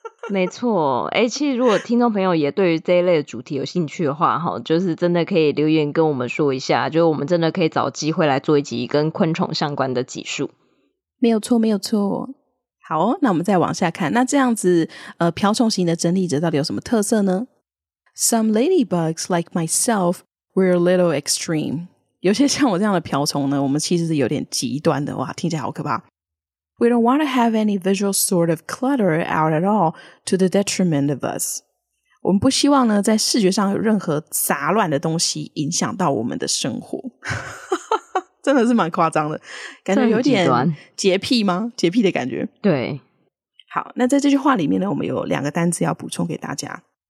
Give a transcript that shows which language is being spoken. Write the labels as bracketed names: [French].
[Chinese] 没错，欸，其实如果听众朋友也对于这一类的主题有兴趣的话，就是真的可以留言跟我们说一下，就是我们真的可以找机会来做一集跟昆虫相关的集数。没有错没有错。好，那我们再往下看，那这样子瓢虫型的整理者到底有什么特色呢？ [English] Some ladybugs like myself were a little extreme. [Chinese] 有些像我这样的瓢虫呢，我们其实是有点极端的，哇，听起来好可怕。 [English] We don't want to have any visual sort of clutter out at all to the detriment of us. [Chinese] 我们不希望呢在视觉上有任何杂乱的东西影响到我们的生活。真的是蛮夸张的，感觉有点洁癖吗？洁癖的感觉。对，好，那在这句话里面呢，我们有两个单字要补充给大家。